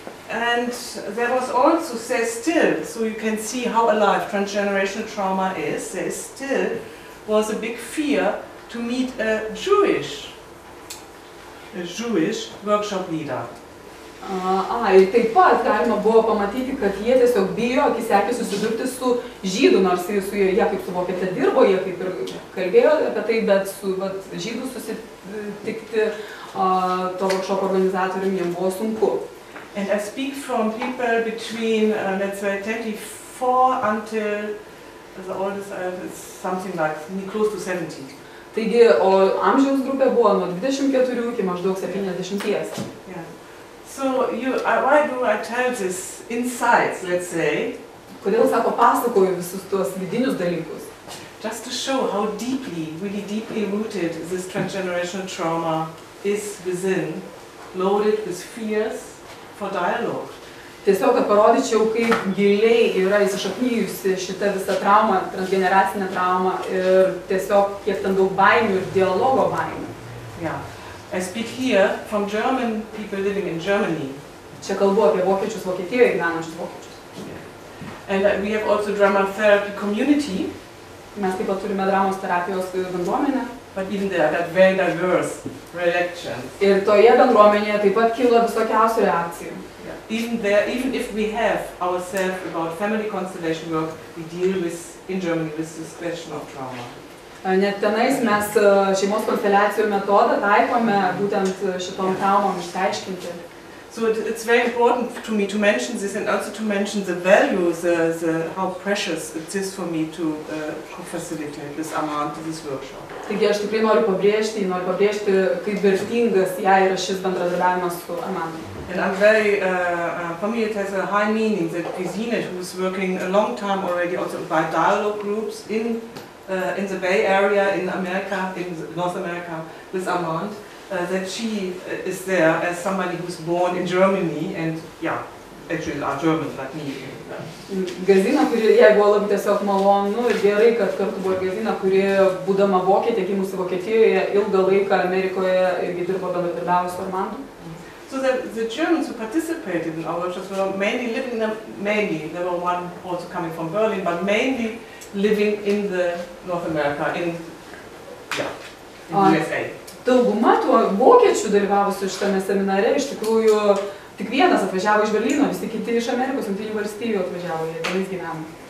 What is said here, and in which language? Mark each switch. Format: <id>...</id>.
<en>And there was also there still, so you can see how alive transgenerational trauma is, there still was a big fear to meet a Jewish workshop leader.</en> <lt>Ir taip pat galima buvo pamatyti, kad jie tiesiog bijo akisekį susidurti su žydu, nors su jie, jie kaip su vokietė dirbo, jie kaip ir kalbėjo apie tai, bet su vat, žydu susitikti to workshop organizatoriumi jiems buvo sunku.</lt> <en>And I speak from people between, let's say, 24 until the oldest is something like close to 70.</en> <lt>Taigi, o amžiaus grupė buvo nuo 24 iki maždaug 70.</lt> <en>So you, why do I tell this insights, let's say?</en> <lt>Kodėl sako pasakoju visus tuos vidinius dalykus?</lt> <en>Just to show how deeply, really deeply rooted this transgenerational trauma is within, loaded with fears for dialogue.</en> <lt>Tiesiog, kad parodyčiau, kaip giliai yra įsišaknyjusi šita visa trauma, transgeneracinė trauma, ir tiesiog, kiek ten daug baimių ir dialogo baimių.</lt> <en>Yeah. I speak here from German people living in Germany.</en> <lt>Čia kalbu apie vokiečius Vokietijoje gyvenančius vokiečius.</lt> <en>Yeah. And we have also drama therapy community.</en> <lt>Mes taip pat turime dramos terapijos bendruomenę.</lt> <en>But even there, that very diverse reactions.</en> <lt>Ir toje bendruomenėje taip pat kilo visokiausių reakcijų.</lt> <en>Even there, even if we have ourselves about family constellation work, we deal with in Germany with this question of trauma.</en> <lt>Net tenais mes šeimos konsteliacijų metodą taikome būtent šitom traumom išsiaiškinti.</lt> <en>So it's very important to me to mention this and also to mention the values, the how precious it is for me to facilitate this amount of this workshop.</en> <lt>Taigi aš tikrai noriu pabrėžti, kaip vertingas jai yra šis bendradarbiavimas su Amanda.</lt> <en>And I'm very, for me it has a high meaning that Gesine, who's working a long time already also by dialogue groups in the Bay Area, in America, in North America, with Armand, that she is there as somebody who's born in Germany and, yeah, actually are German, like me.</en> <lt>Gesine, kuri jai buvo labai tiesiog malonu ir gerai, kad kartu buvo Gesine, kuri, būdama Vokietė, gimusi Vokietijoje, ilgą laiką Amerikoje irgi dirbo bendradarbiavo su Armandu.</lt> <en>So the Germans who participated in our workshops were mainly living in the, mainly, there were one also coming from Berlin, but mainly living in the North America, in, yeah, in USA.</en> <lt>Dauguma tuo vokiečių dalyvavusių šitame seminare, iš tikrųjų, tik vienas atvažiavo iš Berlyno, visi kiti iš Amerikos, Jungtinių valstijų atvažiavo, jie tenais gyveno.</lt>